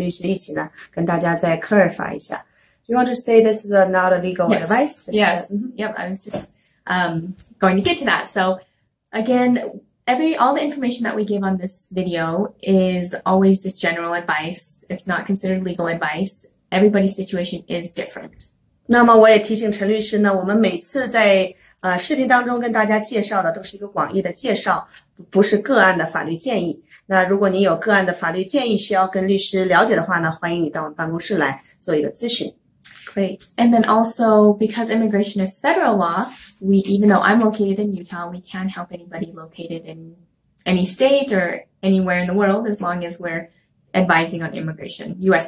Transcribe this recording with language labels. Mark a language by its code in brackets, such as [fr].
[zh] 那么今天呢，我们是又是礼拜一了，我们争取每个星期一呢做一集新的专辑啊。那么首先呢，我们两个商量一下，就是还是回答一些大家最关心的中国大厨师来美国的绿卡申请。那经常会有一些人问到一些问题，那么我们今天和陈律师一起呢，跟大家再 clarify 一下。 [en] You want to say this is not a legal advice? Yes. Yep. I was just going to get to that. So again, all the information that we give on this video is always just general advice. It's not considered legal advice. Everybody's situation is different. [zh] 那么我也提醒陈律师呢，我们每次在视频当中跟大家介绍的都是一个广义的介绍，不是个案的法律建议。那如果您有个案的法律建议需要跟律师了解的话呢，欢迎你到我们办公室来做一个咨询。 [en] Great. And then also, because immigration is federal law, we even though I'm located in Utah, we can help anybody located in any state or anywhere in the world as long as we're advising on immigration, U.S.